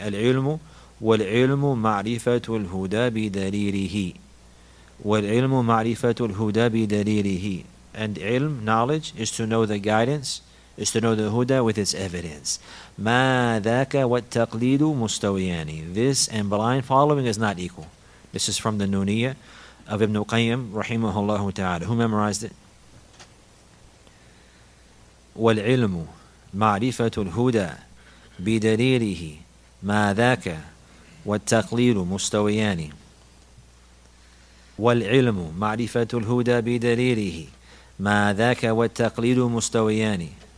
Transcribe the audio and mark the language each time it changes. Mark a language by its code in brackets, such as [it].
[ar] Al-ilmu والعلم معرفة الهدى بدليله والعلم معرفة الهدى بدليله. [en] And ilm, knowledge, is to know the guidance, is to know the huda with its evidence. [ar] ما ذاك والتقليد مستويان. [en] This and blind following is not equal. This is from the Nuniyya of Ibn Qayyim [ar] رحمه الله تعالى. [en] Who memorized it? [ar] والعلم معرفة الهدى بدليله ما ذاك والتقليل مستويان والعلم معرفة الهدى بدليله ما ذاك والتقليل مستويان.